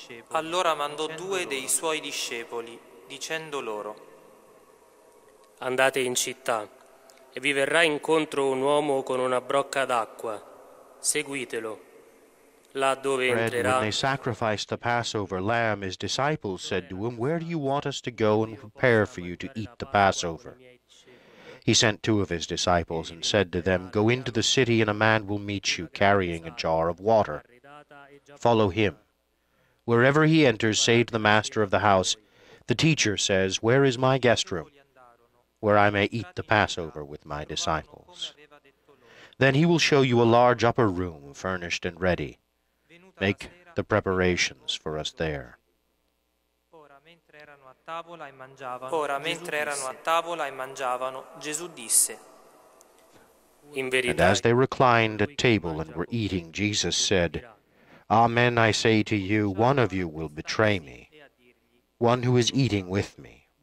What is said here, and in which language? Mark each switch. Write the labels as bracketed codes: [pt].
[it] Allora mandò due dei suoi discepoli, dicendo loro: andate in città, e vi verrà incontro un uomo con una brocca d'acqua. Seguitelo. Là dove entrerà. [en] When they sacrificed the Passover lamb, his disciples said to him, "Where do you want us to go and prepare for you to eat the Passover?" He sent two of his disciples and said to them, "Go into the city, and a man will meet you carrying a jar of water. Follow him. Wherever he enters, say to the master of the house, 'The teacher says, where is my guest room, where I may eat the Passover with my disciples?' Then he will show you a large upper room, furnished and ready. Make the preparations for us there." [it] Ora, mentre erano a tavola e mangiavano, Gesù disse: [en] And as they reclined at table and were eating, Jesus said, "Amen, I say to you, one of you will betray me, one who is eating with me."